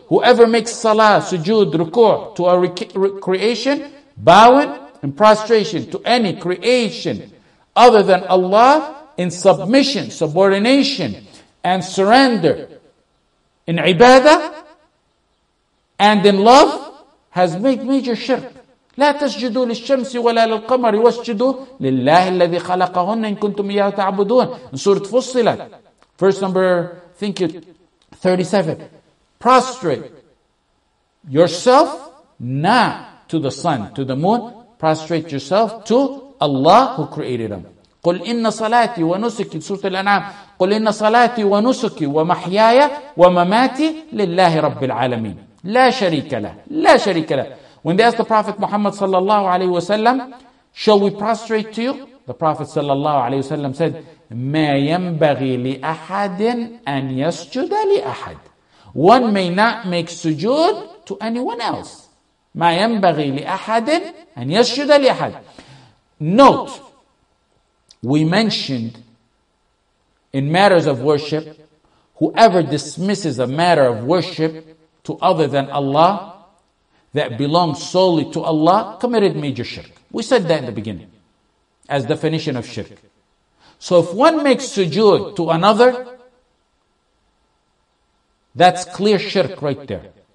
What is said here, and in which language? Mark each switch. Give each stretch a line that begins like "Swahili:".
English: Whoever makes salah, sujood, ruku' to a creation, bowing and prostration to any creation other than Allah in submission, subordination, and surrender in ibadah and in love has made major shirk.
Arabic: لا تسجدوا للشمس ولا للقمر واسجدوا لله الذي خلقهن إن كنتم إياه تعبدون.
English: In Surah Fussilat. Verse number, I think it 37. Prostrate yourself not to the sun, to the moon. Prostrate yourself to Allah who created them.
Arabic: قل إن صلاتي ونسكي سورة الأنعام قل إن صلاتي ونسكي ومحياي ومماتي لله رب العالمين لا شريك له لا شريك له.
English: When they asked the Prophet Muhammad sallallahu alaihi wasallam, shall we prostrate to you? The Prophet sallallahu alaihi wasallam said,
Arabic: ما ينبغي لأحد أن يسجد لأحد.
English: One may not make sujood to anyone else.
Arabic: ما ينبغي لأحد أن يسجد لأحد.
English: Note, we mentioned in matters of worship, whoever dismisses a matter of worship to other than Allah that belongs solely to Allah committed major shirk. We said that in the beginning as definition of shirk. So if one makes sujood to another, that's clear shirk right there.